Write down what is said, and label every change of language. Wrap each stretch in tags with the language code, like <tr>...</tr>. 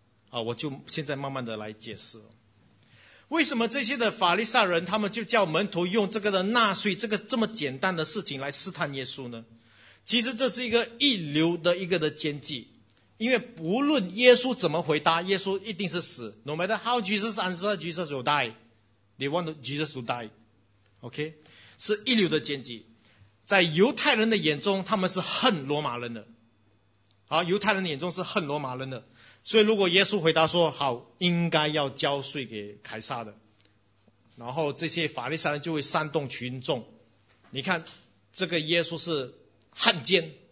<zh>啊，我就现在慢慢的来解释。为什么这些的法利赛人他们就叫门徒用这个的纳税这个这么简单的事情来试探耶稣呢？其实这是一个一流的一个的奸计，因为无论耶稣怎么回答，耶稣一定是死。</zh> <en>No matter how Jesus answer, Jesus will die. They want Jesus to die. OK，</en> <zh>是一流的奸计。在犹太人的眼中，他们是恨罗马人的。好，犹太人的眼中是恨罗马人的。所以如果耶稣回答说，好，应该要交税给凯撒的，然后这些法利赛人就会煽动群众，你看这个耶稣是汉奸。</zh>